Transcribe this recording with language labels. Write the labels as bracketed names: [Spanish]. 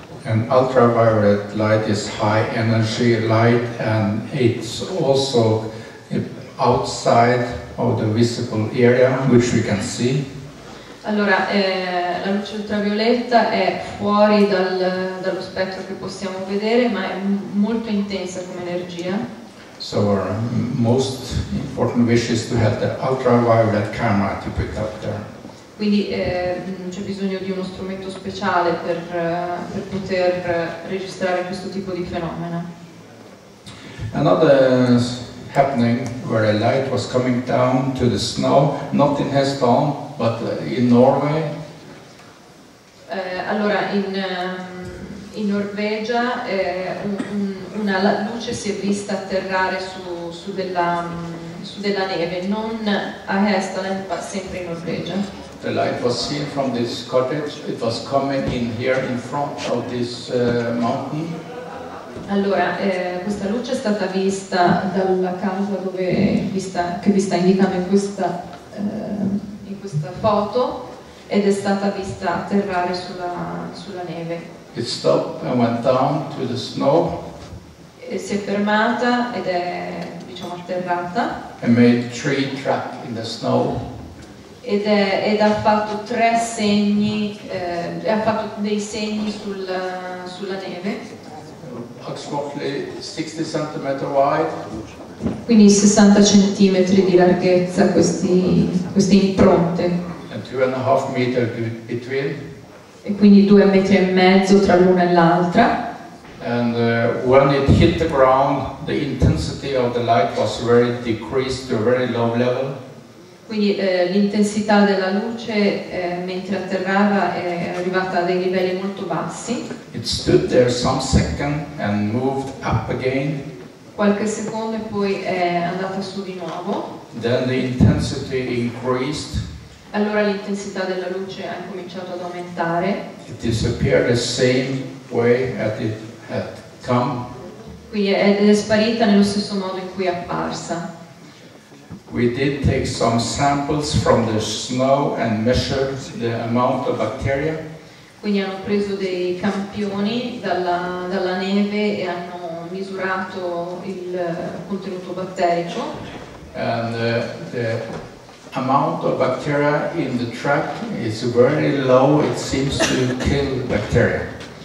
[English] And ultraviolet light is high energy light and it's also outside of the visible area which we can see. [Italian] Allora, la luce ultravioletta è fuori dallo spettro che possiamo vedere, ma è molto intensa come energia. [English] So our most important wish is to have the ultraviolet camera to put up there. [Italian] Quindi c'è bisogno di uno strumento speciale per poter registrare questo tipo di fenomeno. [English] Another happening where a light was coming down to the snow, not in Hesdon, but in Norway. [Italian] Allora in Norvegia una luce si è vista atterrare su della neve, non a Hesdon, ma sempre in Norvegia. [English] The light was seen from this cottage. It was coming in here in front of this mountain. [Italian] Allora, questa luce è stata vista dalla casa che vi sta indicando in questa foto ed è stata vista atterrare sulla neve. [English] It stopped and went down to the snow. [Italian] E si è fermata ed è, diciamo, atterrata. [English] And made three track in the snow. [Italian] Ed ha fatto tre segni, ha fatto dei segni sulla neve. [English] Approximately 60 centimeter wide. [Italian] Quindi 60 centimetri di larghezza queste impronte. [English] And 2.5 meters between. [Italian] E quindi 2.5 metri tra l'una e l'altra. [English] And when it hit the ground, the intensity of the light was very decreased to a very low level. [Italian] Quindi l'intensità della luce mentre atterrava è arrivata a dei livelli molto bassi. [English] It stood there some second and moved up again. [Italian] Qualche secondo e poi è andata su di nuovo. [English] Then the intensity increased. [Italian] Allora l'intensità della luce ha cominciato ad aumentare. [English] It disappeared the same way as it had come. [Italian] Quindi è sparita nello stesso modo in cui è apparsa. [English] We did take some samples from the snow and measured the amount of bacteria. [Italian] Quindi hanno preso dei campioni dalla neve e hanno misurato il contenuto batterico. [English] And the amount of bacteria in the track is very low, it seems to kill bacteria.